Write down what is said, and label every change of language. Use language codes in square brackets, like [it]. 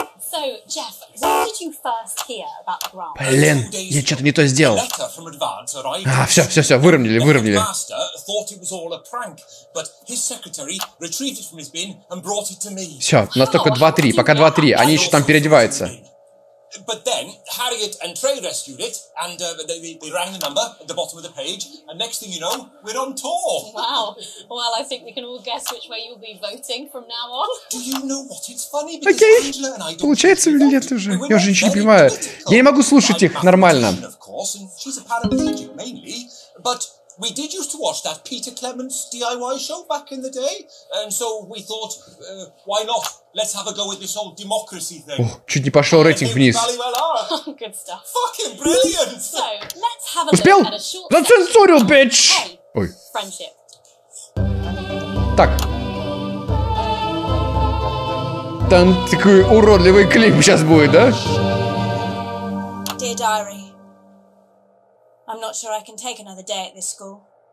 [en] So, Jeff, what did you first hear about grants? [ru] Блин, я что-то не то сделал. А, все, выровняли. Все, у нас только 2-3, пока 2-3, они еще там переодеваются. [en] But then Harriet and Trey rescued it, and they rang the number at the bottom of the page, and next thing you know, we're on tour. Wow. Well, I think we can all guess which way you'll be voting from now on. Do you know what? It's funny because okay. Angela and I don't. [ru] Получается или нет уже? Я уже ничего не понимаю. Я не могу слушать их нормально. [en] Of course, and she's a paraplegic mainly, but we did used to watch that Peter Clements DIY show back in the day, and so we thought, why not? Let's have a go with this whole democracy thing. [ru] Ох, чуть не пошел рейтинг вниз. [en] Good stuff. Fucking brilliant. So, let's have a look at a short. [ru] Успел? Зацензурил, бич. [en] Ой. Friendship. [ru] Так. Там такой уродливый клип сейчас будет, да? [en] Dear Diary, I'm not sure I can take another day at this school.